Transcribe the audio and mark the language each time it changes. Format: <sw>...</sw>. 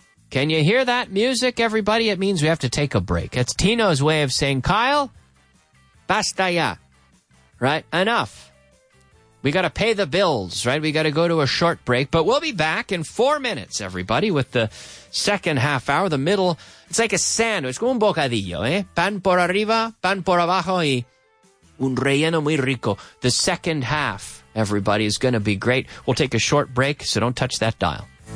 <en>Can you hear that music, everybody? It means we have to take a break. It's Tino's way of saying, Kyle,</en> <es>basta ya,</es> <en>right? Enough. We got to pay the bills, right? We got to go to a short break, but we'll be back in 4 minutes, everybody, with the second half hour, the middle. It's like a sandwich,</en> <es>como un bocadillo, eh? Pan por arriba, pan por abajo, y un relleno muy rico.</es> <en>The second half, everybody, is going to be great. We'll take a short break, so don't touch that dial.</en>